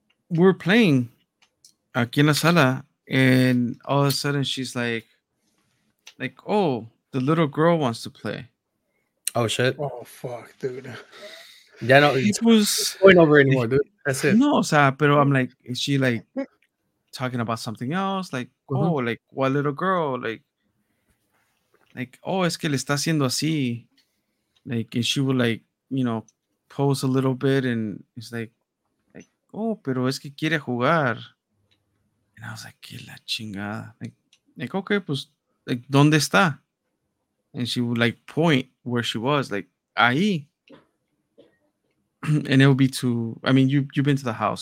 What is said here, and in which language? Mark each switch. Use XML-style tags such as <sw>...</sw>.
<en>We're playing</en> <es>aquí en la sala,</es> <en>and all of a sudden she's like, oh, the little girl wants to play. Oh shit! Oh fuck, dude. Yeah, no, it was going over anymore, dude. That's it.</en> <es>No, o sea, pero</es> <en>I'm like, is she like talking about something else? Like, oh, like what little girl?</en> <es>Like, oh, es que le está haciendo así.</es> <en>Like, and she would like, you know, pose a little bit, and it's like, oh,</en> <es>pero es que quiere jugar.</es> <en>And I was like,</en> <es>que la chingada.</es> <en>Like, okay, pues, like,</en> <es>¿dónde está?</es> <en>And she would like point where she was, like ahí. And it would be you've been to the house.</en>